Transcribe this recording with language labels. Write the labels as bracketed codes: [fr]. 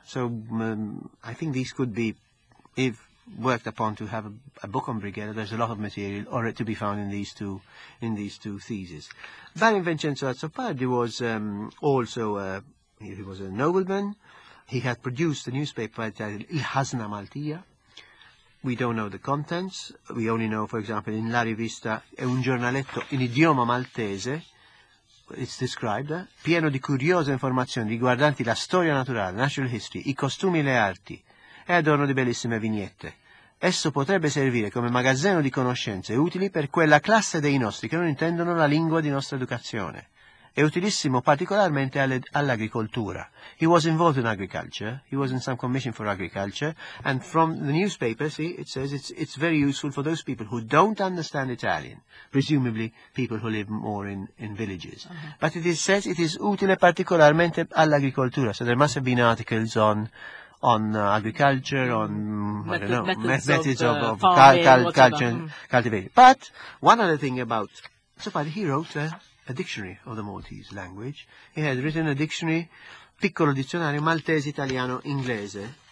[en] So I think these could be, if worked upon, to have a book on Brighella. There's a lot of material already to be found in these two theses. Baron Vincenzo Azzopardi was also a nobleman. He had produced a newspaper titled Il Hasna Maltia. We don't know the contents. We only know, for example, in La Rivista, [it] è un giornaletto in idioma maltese, [en] it's described, [it] pieno di curiose informazioni riguardanti la storia naturale, [en] natural history, [it] i costumi e le arti, e adorno di bellissime vignette. Esso potrebbe servire come magazzino di conoscenze utili per quella classe dei nostri che non intendono la lingua di nostra educazione. è utilissimo particolarmente all'agricoltura. [en] He was involved in agriculture. He was in some commission for agriculture. And from the newspaper, see, it says it's very useful for those people who don't understand Italian, presumably people who live more in villages. Uh-huh. But it says it is [it] utile particolarmente all'agricoltura. [en] So there must have been articles on agriculture, on, methods of cultivation. But one other thing about, so far he wrote a dictionary of the Maltese language. He had written a dictionary, [it] piccolo dizionario, [en] Maltese, Italiano, Inglese.